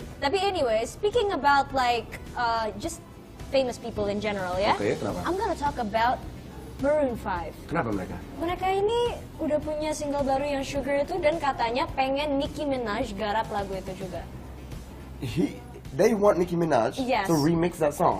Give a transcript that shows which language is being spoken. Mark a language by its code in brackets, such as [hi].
[en] Hey, tapi anyway, speaking about like, just famous people in general, ya? [id] Okay, kenapa? [en] I'm gonna talk about Maroon 5. [id] Kenapa mereka? Mereka ini udah punya single baru yang Sugar itu dan katanya pengen Nicki Minaj garap lagu itu juga. [en] they want Nicki Minaj to remix that song.